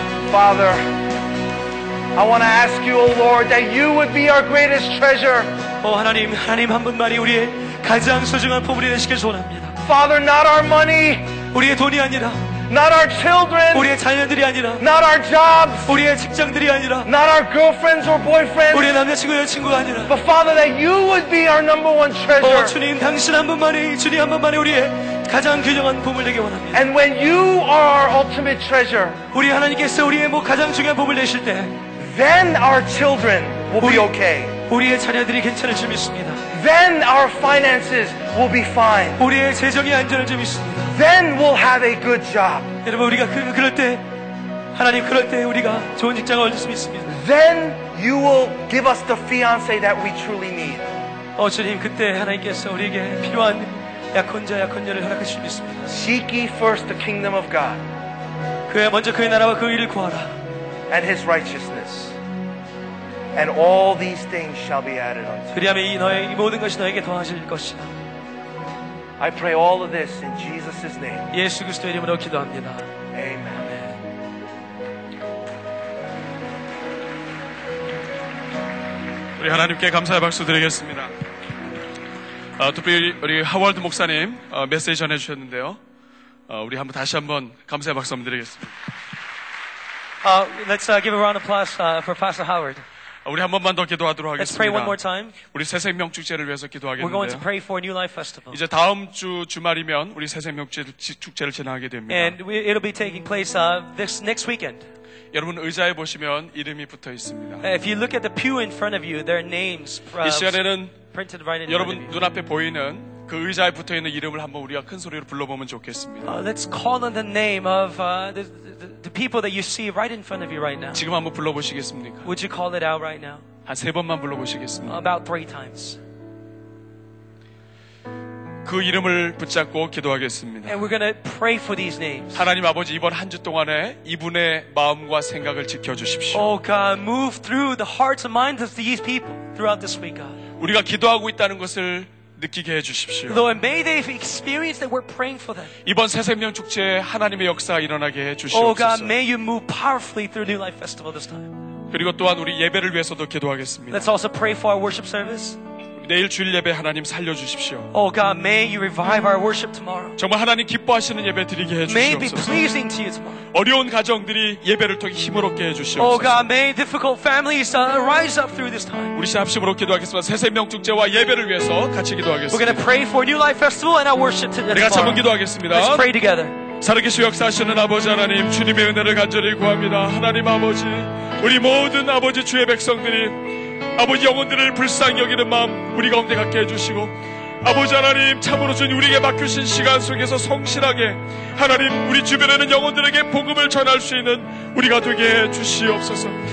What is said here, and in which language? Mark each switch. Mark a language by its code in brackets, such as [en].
[en] Father, I want to ask you, O Lord, that you would be our greatest treasure. [ko] Oh, 하나님, 하나님 한 분만이 우리의 가장 소중한 보물이 되시길 소원합니다. [en] Father, not our money. [ko] 우리의 돈이 아니라. [en] Not our children. [ko] 우리의 자녀들이 아니라. [en] Not our jobs. [ko] 우리의 직장들이 아니라. [en] Not our girlfriends or boyfriends. [ko] 우리의 남자친구 여자친구가 아니라. [en] But Father, that you would be our number one treasure. [ko] 오, 주님, 당신 한 분만이 주님 한 분만이 우리의 가장 귀중한 보물 되길 원합니다. [en] And when you are our ultimate treasure, [ko] 우리 하나님께서 우리의 뭐 가장 중요한 보물 되실 때, [en] then our children will 우리, be okay. [ko] 우리의 자녀들이 괜찮을 줄 믿습니다. [en] Then our finances will be fine. [ko] 우리의 재정이 안전할 줄 믿습니다. [en] Then we'll have a good job. [ko] 여러분 우리가 그럴 때 하나님 그럴 때 우리가 좋은 직장을 얻을 수 있습니다. [en] Then you will give us the fiance that we truly need. [ko] 오 주님 그때 하나님께서 우리에게 필요한 약혼자 약혼녀를 허락하실 수 있습니다. [en] Seek ye first the kingdom of God. [ko] 그에 먼저 그의 나라와 그 의를 구하라. [en] And His righteousness. And all these things shall be added unto you. [ko] 그리하면 이 너의 이 모든 것이 너에게 더하실 것이다. [en] I pray all of this in Jesus' name. [ko] 예수 그리스도의 이름으로 기도합니다. [en] Amen. Amen. Amen. [ko] 우리 하나님께 감사의 박수 드리겠습니다. 특별히 우리 하월드 목사님 메시지 전해주셨는데요. 우리 한번 다시 한번 감사의 박수 한번 드리겠습니다. [en] Let's give a round of applause for Pastor Howard. [ko] 우리 한 번만 더 기도하도록 하겠습니다. [en] Let's pray one more time. [ko] 우리 새 생명 축제를 위해서 기도하겠는데요. [en] We're going to pray for a New Life Festival. [ko] 이제 다음 주 주말이면 우리 새 생명 축제를 진행하게 됩니다. [en] And it'll be taking place this next weekend. [ko] 여러분 의자에 보시면 이름이 붙어 있습니다. [en] If you look at the pew in front of you, there are names printed right in front of you. [ko] 눈앞에 보이는 그 의자에 붙어 있는 이름을 한번 우리가 큰 소리로 불러보면 좋겠습니다. [en] Let's call on the name of the people that you see right in front of you right now. [ko] 지금 한번 불러보시겠습니까? [en] Would you call it out right now? [ko] 한 세 번만 불러보시겠습니까? [en] About three times. [ko] 그 이름을 붙잡고 기도하겠습니다. [en] And we're going to pray for these names. [ko] 하나님 아버지 이번 한 주 동안에 이분의 마음과 생각을 지켜주십시오. [en] Oh God, move through the hearts and minds of these people throughout this week, God. [ko] 우리가 기도하고 있다는 것을 느끼게 해주십시오. [en] Lord, may they experience that we're praying for them. [ko] 이번 새 생명 축제에 하나님의 역사 일어나게 해주시옵소서. [en] Oh God, may you move powerfully through New Life Festival this time. [ko] 그리고 또한 우리 예배를 위해서도 기도하겠습니다. [en] Let's also pray for our worship service. [ko] 내일 주일 예배 하나님 살려 주십시오. [en] Oh God, may you revive our worship tomorrow. [ko] 정말 하나님 기뻐하시는 예배 드리게 해 주시옵소서. [en] May it be pleasing to you tomorrow. [ko] 어려운 가정들이 예배를 통해 힘을 얻게 해 주시옵소서. [en] Oh God, may difficult families rise up through this time. [ko] 우리 합심으로 기도하겠습니다. 새 생명 축제와 예배를 위해서 같이 기도하겠습니다. [en] We're going to pray for New Life Festival and our worship today. [ko] 내가 참 기도하겠습니다. [en] Let's pray together. [ko] 살아계시 역사하시는 아버지 하나님 주님의 은혜를 간절히 구합니다. 하나님 아버지 우리 모든 아버지 주의 백성들이 아버지 영혼들을 불쌍히 여기는 마음 우리 가운데 갖게 해주시고 아버지 하나님 참으로 주님 우리에게 맡겨주신 시간 속에서 성실하게 하나님 우리 주변에 있는 영혼들에게 복음을 전할 수 있는 우리가 되게 해주시옵소서.